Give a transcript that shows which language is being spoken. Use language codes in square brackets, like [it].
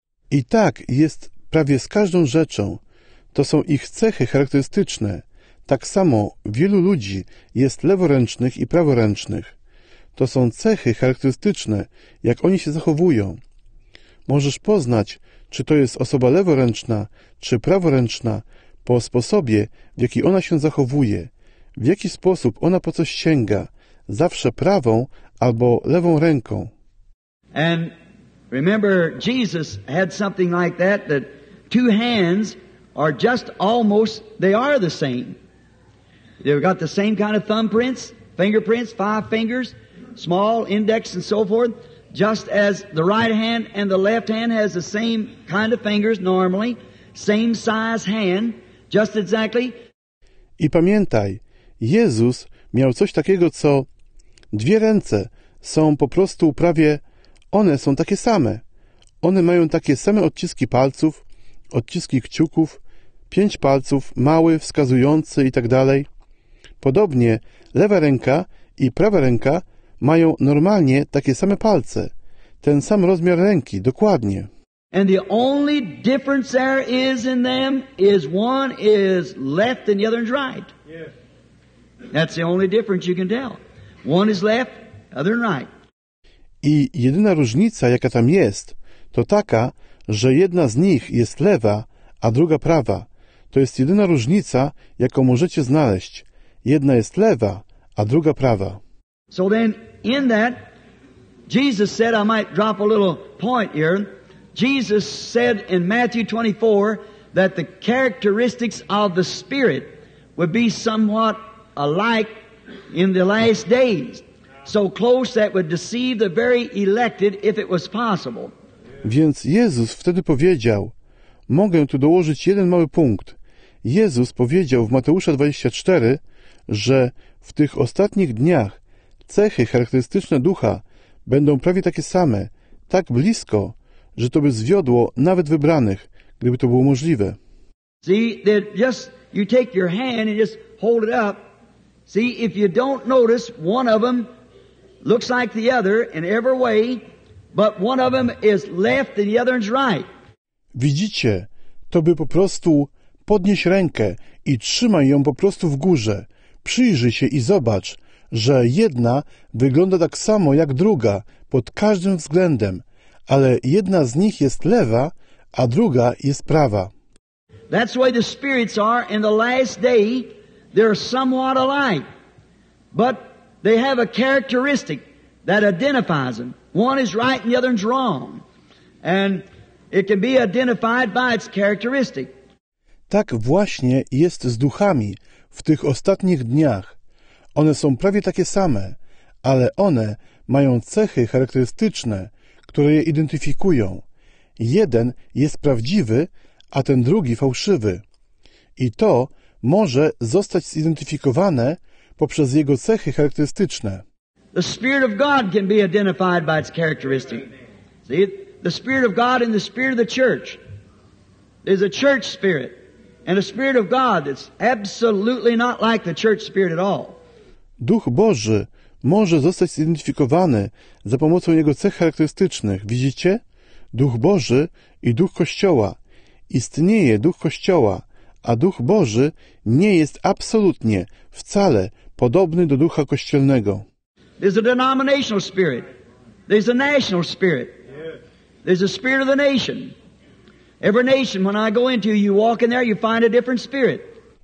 [pl] I tak jest prawie z każdą rzeczą. To są ich cechy charakterystyczne. Tak samo wielu ludzi jest leworęcznych i praworęcznych. To są cechy charakterystyczne, jak oni się zachowują. Możesz poznać, czy to jest osoba leworęczna, czy praworęczna, po sposobie, w jaki ona się zachowuje, w jaki sposób ona po coś sięga, zawsze prawą albo lewą ręką. [en] And remember, Jesus had something like that, that two hands are just almost, they are the same. They've got the same kind of thumbprints, fingerprints, five fingers, small index and so forth. Just as the right hand and the left hand has the same kind of fingers normally, same size hand, just exactly. [pl] I pamiętaj, Jezus miał coś takiego, co dwie ręce są po prostu prawie, one są takie same. One mają takie same odciski palców, odciski kciuków, pięć palców, mały, wskazujący i tak dalej. Podobnie lewa ręka i prawa ręka mają normalnie takie same palce, ten sam rozmiar ręki, dokładnie. [en] And the only difference there is in them is one is left and the other is right. Yes. That's the only difference you can tell. One is left, other right. [pl] I jedyna różnica, jaka tam jest, to taka, że jedna z nich jest lewa, a druga prawa. To jest jedyna różnica, jaką możecie znaleźć. Jedna jest lewa, a druga prawa. [en] So then, in that, Jesus said, I might drop a little point here. Jesus said in Matthew 24 that the characteristics of the Spirit would be somewhat alike in the last days. So close that would deceive the very elected if it was possible. [pl] Więc Jezus wtedy powiedział, mogę tu dołożyć jeden mały punkt. Jezus powiedział w Mateusza 24, że w tych ostatnich dniach cechy charakterystyczne ducha będą prawie takie same, tak blisko, że to by zwiodło nawet wybranych, gdyby to było możliwe. [en] See, that just you take your hand and just hold it up. See, if you don't notice, one of them looks like the other in every way, but one of them is left and the other is right. [pl] Widzicie, to by po prostu podnieś rękę i trzymaj ją po prostu w górze. Przyjrzyj się i zobacz, że jedna wygląda tak samo jak druga pod każdym względem, ale jedna z nich jest lewa, a druga jest prawa. [en] That's why the spirits are in the last day, they're somewhat alike, but they have a characteristic that identifies them. One is right and the other is wrong, and it can be identified by its characteristic. [pl] Tak właśnie jest z duchami w tych ostatnich dniach. One są prawie takie same, ale one mają cechy charakterystyczne, które je identyfikują. Jeden jest prawdziwy, a ten drugi fałszywy. I to może zostać zidentyfikowane poprzez jego cechy charakterystyczne. [en] The Spirit of God can be identified by its characteristic. See, the Spirit of God and the Spirit of the Church. There's a church spirit and a Spirit of God that's absolutely not like the church spirit at all. [pl] Duch Boży może zostać zidentyfikowany za pomocą jego cech charakterystycznych. Widzicie? Duch Boży i Duch Kościoła. Istnieje Duch Kościoła, a Duch Boży nie jest absolutnie, wcale podobny do Ducha Kościelnego. [en] There's a denominational spirit. There's a national spirit. There's a spirit of the nation. Every nation, when I go into you, you walk in there, you find a different spirit.